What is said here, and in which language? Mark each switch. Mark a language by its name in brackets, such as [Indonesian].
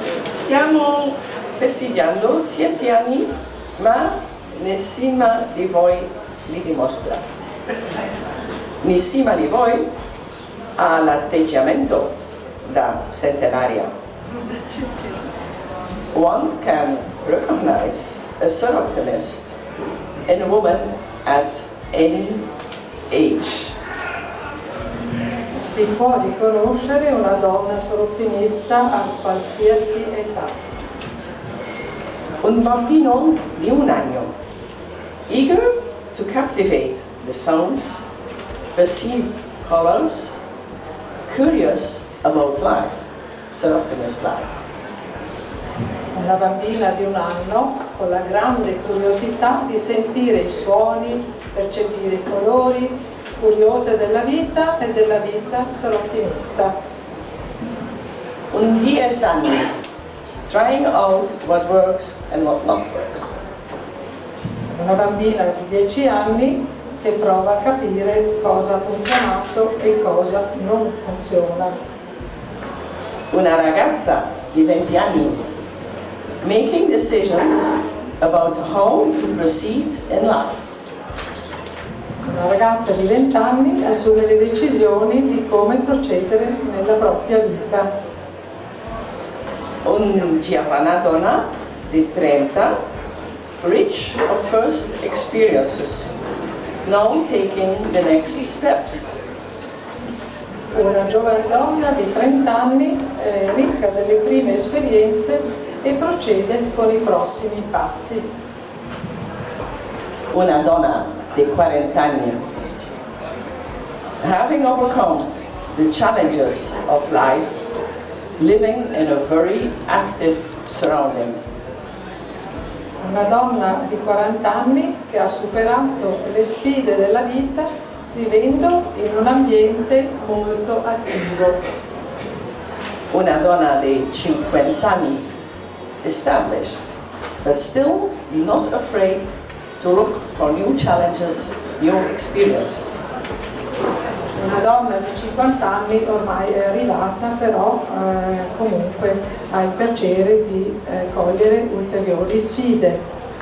[Italian] Stiamo festeggiando 7 anni, ma nessuna di voi li dimostra. Nessuna di voi ha l'atteggiamento da centenaria. [English] One can recognize a Soroptimist in a woman at any age. [Italian] Si può riconoscere una donna soroptimista a qualsiasi età. Un bambino di 1 anno, [English] eager to captivate the sounds, perceive colors, curious about life, soroptimist life. [Italian] Una bambina di 1 anno con la grande curiosità di sentire i suoni, percepire i colori, curiosa della vita e della vita, soroptimista. Un 10 anni, [English] trying out what works and what not works. [Italian] Una bambina di 10 anni che prova a capire cosa ha funzionato e cosa non funziona. Una ragazza di 20 anni, [English] making decisions about how to proceed in life. [Italian] Una ragazza di 20 anni assume le decisioni di come procedere nella propria vita. Una giovane donna di 30, [English] rich of first experiences, now taking the next steps. [Italian] Una giovane donna di 30 anni, ricca delle prime esperienze e procede con i prossimi passi. Una donna di 40 anni, [English] having overcome the challenges of life, living in a very active surrounding. [Italian] Una donna di 40 anni che ha superato le sfide della vita vivendo in un ambiente molto attivo. Una donna di 50 anni, [English] established, but still not afraid to look for new challenges, new experiences. [Italian] Una donna di 50 anni ormai è arrivata, però comunque ha il piacere di cogliere ulteriori sfide.